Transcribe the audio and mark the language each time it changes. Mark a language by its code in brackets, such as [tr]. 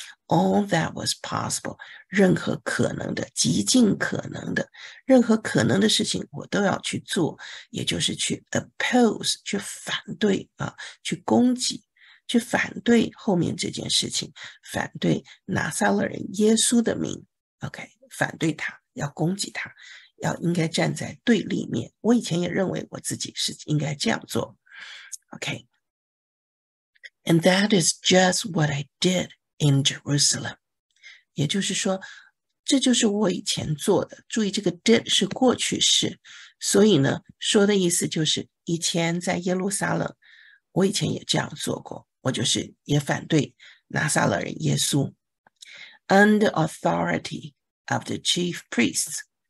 [en] All that was possible， [zh] 任何可能的，极尽可能的，任何可能的事情我都要去做，也就是去 oppose， 去反对啊，去攻击，去反对后面这件事情，反对拿撒勒人耶稣的名。 OK， 反对他，要攻击他，要应该站在对立面。我以前也认为我自己是应该这样做。OK， [en] And that is just what I did in Jerusalem. [zh] 也就是说，这就是我以前做的。注意，这个 did 是过去式，所以呢，说的意思就是以前在耶路撒冷，我以前也这样做过。我就是也反对拿撒勒人耶稣。 [en] Under authority of the chief priests.